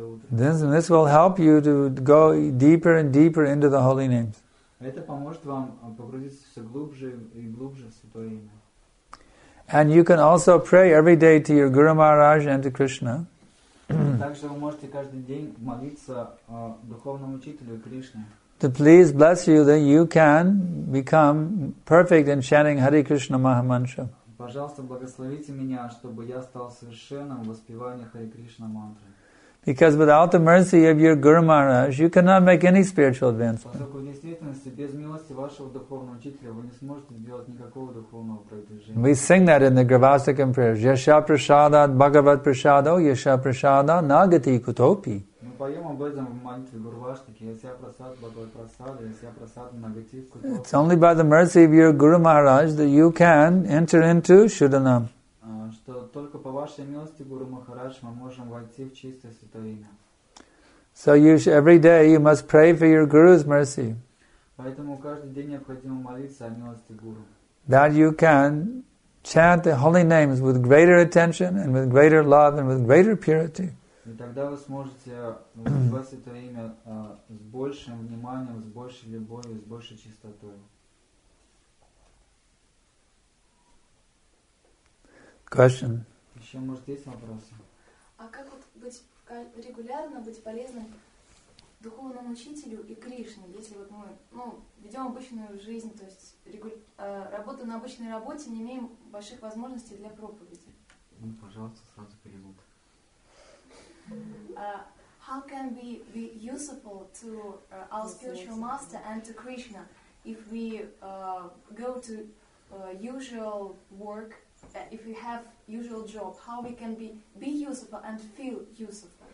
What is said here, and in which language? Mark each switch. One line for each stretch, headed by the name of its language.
English: This will help you to go deeper and deeper into the holy names.
Russian: Это поможет вам погрузиться все глубже и глубже в святое имя.
English: And you can also pray every day to your Guru Maharaj and to Krishna.
Russian: Также вы можете каждый день молиться духовному учителю Кришне.
English: To please bless you, then you can become perfect in chanting Hare Krishna Mahamantra.
Russian: Пожалуйста, благословите меня, чтобы я стал совершенным в воспевании Хари Кришна мантры.
English: Because without the mercy of your Guru Maharaj, you cannot make any spiritual advancement.
Russian: Поскольку в действительности без милости вашего духовного учителя вы не сможете сделать никакого духовного продвижения.
English: We sing that in the Gurvastakam prayers.
Sanskrit: Yasha prashada bhagavat prashada, yasha prashada nagati kutopi.
Russian: Мы поем об этом в молитве Гурваштаки.
Sanskrit: Яся прасад бхагават прасада, яся прасад нагати кутопи.
English: It's only by the mercy of your Guru Maharaj that you can enter into Shudanam.
Russian: Что только по вашей милости, Гуру Махарадж, мы можем войти в чистое святое имя.
English: So you every day you must pray for your Guru's mercy.
Russian: Поэтому каждый день необходимо молиться о милости Гуру.
English: That you can chant the holy names with greater attention and with greater love and with greater purity.
Russian: И тогда вы сможете называть это имя с большим вниманием, с большей любовью, с большей чистотой.
English: Question.
Russian: Еще, может, есть вопросы? А как вот быть регулярно быть полезным духовному учителю и Кришне, если вот мы ведем обычную жизнь, то есть работаем на обычной работе, не имеем больших возможностей для проповеди? Ну, пожалуйста, сразу перевод.
English: How can we be useful to our spiritual master and to Krishna if we go to usual work, if we have usual job? How we can be useful and feel useful?